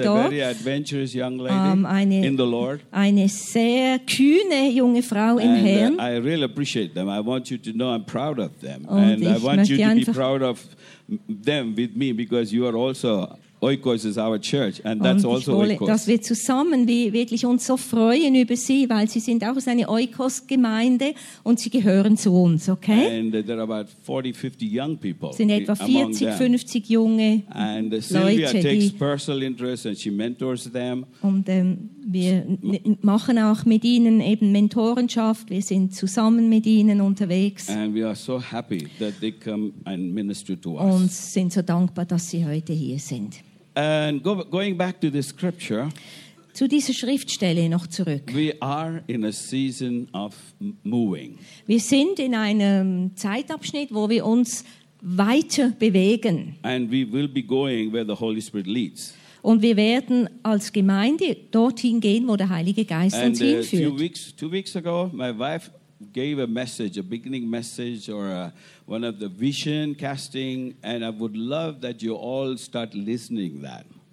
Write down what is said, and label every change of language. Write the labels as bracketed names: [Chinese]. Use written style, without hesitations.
[English] She's a very adventurous young lady in the Lord. [German] Eine sehr kühne junge Frau im Herrn. [English] And I really appreciate them. I want you to know I'm proud of them. And I want you to be proud of them with me, because you are also Oikos is our church, and that's [German] und also wolle, Oikos. Dass wir zusammen wie wirklich uns so freuen über sie, weil sie sind auch eine Oikos-Gemeinde und sie gehören zu uns, okay? [English] And there are about 40, 50 young people. [German] Sind etwa 40, 50 junge [English] and [German] Leute. [English] And Sylvia takes personal interest and she mentors them. [German] Und wir machen auch mit ihnen eben Mentorenschaft. Wir sind zusammen mit ihnen unterwegs. [English] And we are so happy that they come and minister to us. [German] Und sind so dankbar, dass sie heute hier sind. [English] And going back to the scripture, [German] zu dieser Schriftstelle noch zurück. [English] We are in a season of moving. [German] Wir sind in einem Zeitabschnitt, wo wir uns weiter bewegen. [English] And we will be going where the Holy Spirit leads. [German] Und wir werden als Gemeinde dorthin gehen, wo der Heilige Geist uns hinführt. [English] Two weeks ago, my wife gave a message, a beginning message or one of the vision casting, and I would love that you all start listening that.